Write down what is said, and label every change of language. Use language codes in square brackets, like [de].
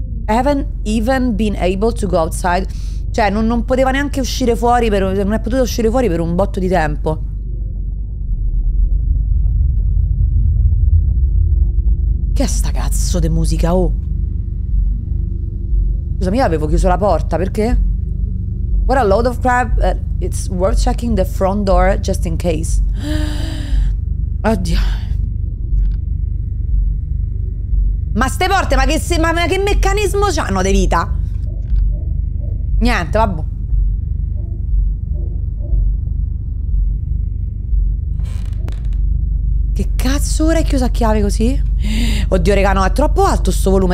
[en] I haven't even been able to go outside. [it] Cioè, non poteva neanche uscire fuori per, non è potuta uscire fuori per un botto di tempo. Che è sta cazzo di musica, oh? Scusami, io avevo chiuso la porta, perché? [en] What a load of crap. It's worth checking the front door just in case. [it] Oddio. Ma ste porte, ma che meccanismo c'hanno di vita? Niente, vabbè. Che cazzo ora è chiusa a chiave così? Oddio, raga, no, è troppo alto sto volume.